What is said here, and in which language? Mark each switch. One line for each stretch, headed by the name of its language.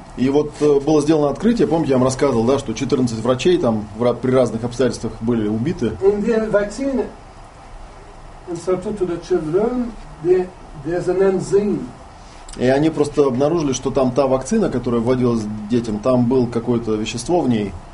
Russian: И вот было сделано открытие, помните, я вам рассказывал, да, что 14 врачей там при разных обстоятельствах были убиты.
English: In the vaccine inserted to the children, there's an enzyme.
Russian: И они просто обнаружили, что там та вакцина, которая вводилась детям, там был какое-то вещество в ней.